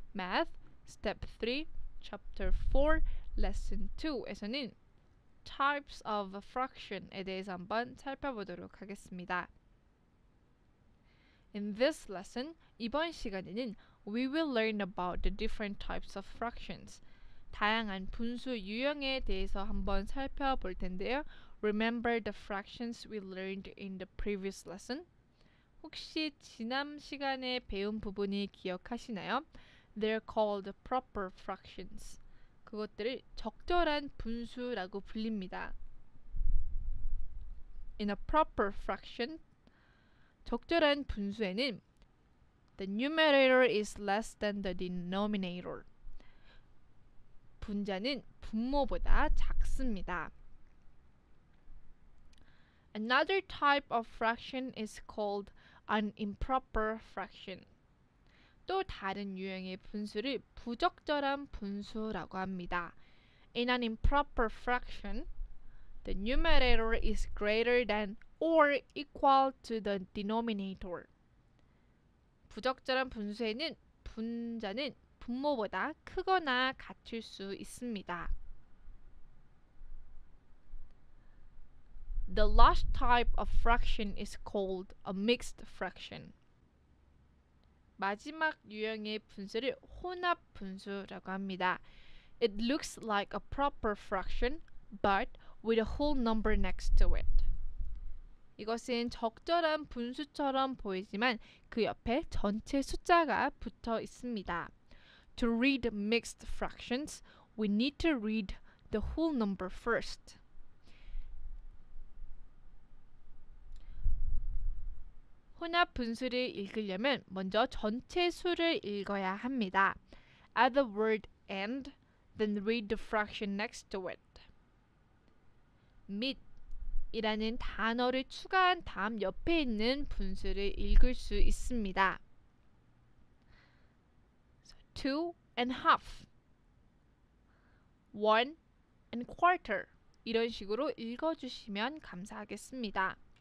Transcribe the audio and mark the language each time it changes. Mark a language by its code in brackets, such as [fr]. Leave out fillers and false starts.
[ko] Math, Step 3, Chapter 4, Lesson 2에서는 Types of Fraction에 대해서 한번 살펴보도록 하겠습니다. [en] In this lesson, [ko] 이번 시간에는 [en] We will learn about the different types of fractions. [ko] 다양한 분수 유형에 대해서 한번 살펴볼 텐데요. [en] Remember the fractions we learned in the previous lesson? [ko] 혹시 지난 시간에 배운 부분이 기억하시나요? [en] They're called proper fractions. [ko] 그것들을 적절한 분수라고 불립니다. [en] In a proper fraction, [ko] 적절한 분수에는 [en] the numerator is less than the denominator. [ko] 분자는 분모보다 작습니다. [en] Another type of fraction is called an improper fraction. [ko] 또 다른 유형의 분수를 부적절한 분수라고 합니다. [en] In an improper fraction, the numerator is greater than or equal to the denominator. [ko] 부적절한 분수에는 분자는 분모보다 크거나 같을 수 있습니다. [en] The last type of fraction is called a mixed fraction. [ko] 마지막 유형의 분수를 혼합 분수라고 합니다. [en] It looks like a proper fraction, but with a whole number next to it. [ko] 이것은 적절한 분수처럼 보이지만 그 옆에 전체 숫자가 붙어 있습니다. [en] To read mixed fractions, we need to read the whole number first. [ko] 혼합 분수를 읽으려면 먼저 전체 수를 읽어야 합니다. [en] Add the word and, then read the fraction next to it. [ko] 및이라는 단어를 추가한 다음 옆에 있는 분수를 읽을 수 있습니다. [en] So, two and half, one and quarter [ko] 이런 식으로 읽어주시면 감사하겠습니다.